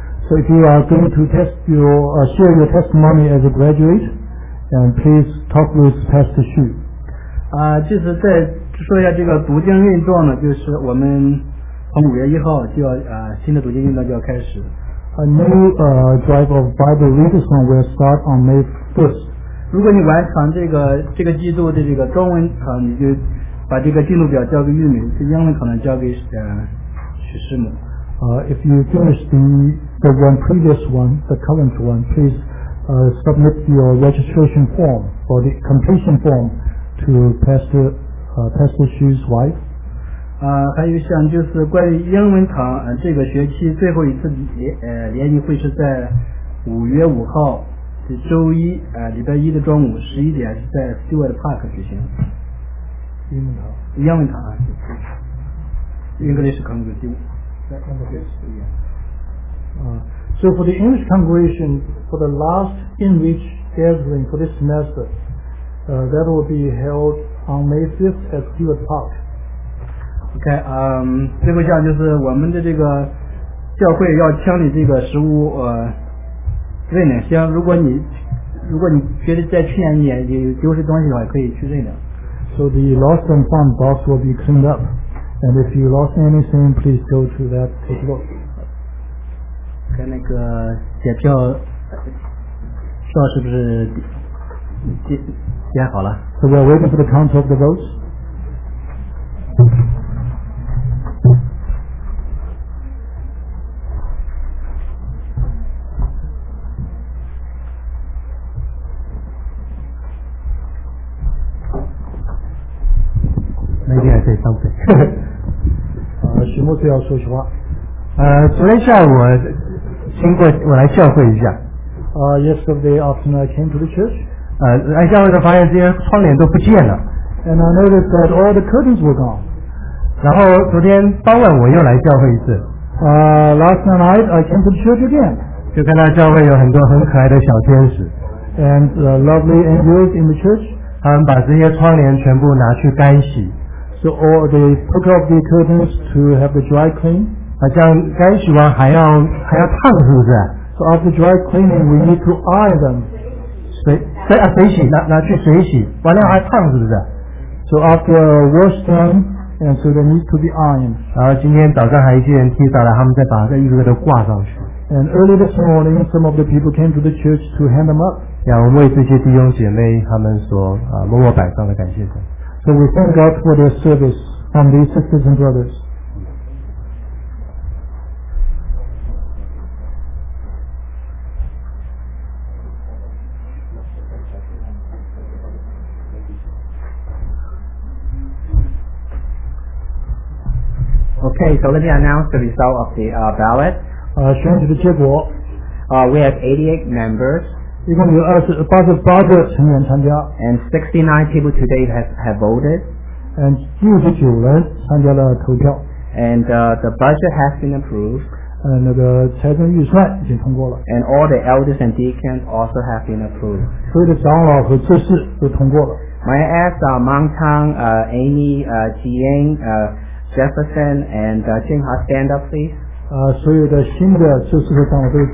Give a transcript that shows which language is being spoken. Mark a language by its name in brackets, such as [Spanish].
[English] So if you are going to share your testimony as a graduate, and please talk with Pastor Xu. [Chinese] 就是再说一下这个读经运动呢，就是我们从5月1日就要新的读经运动就要开始。 [English] A new drive of Bible readers on will start on May 1st. [Chinese] 如果你完成这个季度的这个中文堂，你就把这个进度表交给玉敏，这英文可能交给许师母。 [English] If you finish the one previous one, the current one, please submit your registration form or the completion form to Pastor Xu's wife. [Chinese] 还有像就是关于英文堂这个学期最后一次联谊会是在5月5日是周一礼拜一的中午11点是在 Stewart Park 举行。英文堂 [English] 啊 English Congregation. So for the English congregation, for the last in-reach gathering for this semester, that will be held on May 5th at Stewart Park. [Chinese] Okay, 最后一项就是我们的这个教会要清理这个食物认领箱。如果你觉得在去年你也丢失东西的话，可以去认领。 [English] So the lost and found box will be cleaned up. And if you lost anything, please go to that table. [Chinese] 看那个检票，票是不是检好了 [English] ？So we are waiting for the count of the votes. Maybe I say something. [Chinese] 徐牧师要说实话。昨天下午我经过，我来教会一下。 [English] Yesterday afternoon I came to the church. [Chinese] 来教会的发现这些窗帘都不见了。 [English] And I noticed that all the curtains were gone. [Chinese] 然后昨天傍晚我又来教会一次。 [English] Last night I came to the church again. [Chinese] 就看到教会有很多很可爱的小天使。 [English] And the lovely angels in the church. [Chinese] 他们把这些窗帘全部拿去干洗。 [English] So all they took off the curtains to have the dry clean. [Chinese] 好像干洗完还要烫是不是 [English] ？So after dry cleaning, we need to iron them. [Chinese] 水洗拿去水洗，完了还烫是不是 [English] ？So after wash them, and so they need to be ironed. [Chinese] 然后今天早上还一些人提早了，他们再把这一个个都挂上去。 [English] And early this morning, some of the people came to the church to hand them up. [Chinese] 让我们为这些弟兄姐妹他们所默默摆上的感谢神。 [English] So we thank God for their service from these sisters and brothers. Okay, so let me announce the result of the ballot. [Chinese] 选举的结果. [English] We have 88 members. [Chinese] 一共有88个成员参加. [English] And 69 people today have voted. [Chinese] And 69人参加了投票. [English] And the budget has been approved. [Chinese] 那个财政预算已经通过了. [English] And all the elders and deacons also have been approved. [Chinese] 所有的长老和执事都通过了. [English] May I ask Mang Tang, Amy, Jiang, Jefferson, and Jinghua stand up, please? [Chinese] 所有的新的执事和长老都